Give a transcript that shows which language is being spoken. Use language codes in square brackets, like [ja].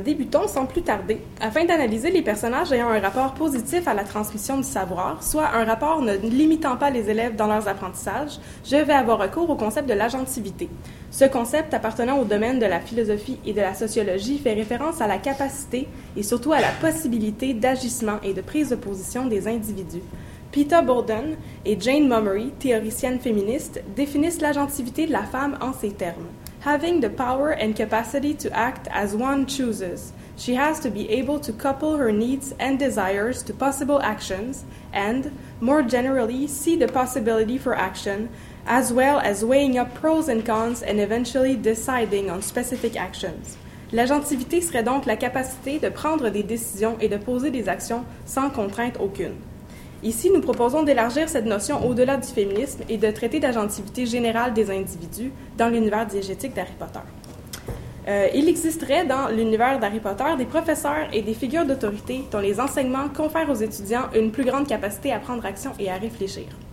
[fr] Débutons sans plus tarder. Afin d'analyser les personnages ayant un rapport positif à la transmission du savoir, soit un rapport ne limitant pas les élèves dans leurs apprentissages, je vais avoir recours au concept de l'agentivité. Ce concept, appartenant au domaine de la philosophie et de la sociologie, fait référence à la capacité et surtout à la possibilité d'agissement et de prise de position des individus. Peter Bowden et Jane Mummery, théoriciennes féministes, définissent l'agentivité de la femme en ces termes: [en] having the power and capacity to act as one chooses, she has to be able to couple her needs and desires to possible actions and, more generally, see the possibility for action, as well as weighing up pros and cons and eventually deciding on specific actions. [fr] L'agentivité serait donc la capacité de prendre des décisions et de poser des actions sans contrainte aucune. Ici, nous proposons d'élargir cette notion au-delà du féminisme et de traiter d'agentivité générale des individus dans l'univers diégétique d'Harry Potter. Il existerait dans l'univers d'Harry Potter des professeurs et des figures d'autorité dont les enseignements confèrent aux étudiants une plus grande capacité à prendre action et à réfléchir.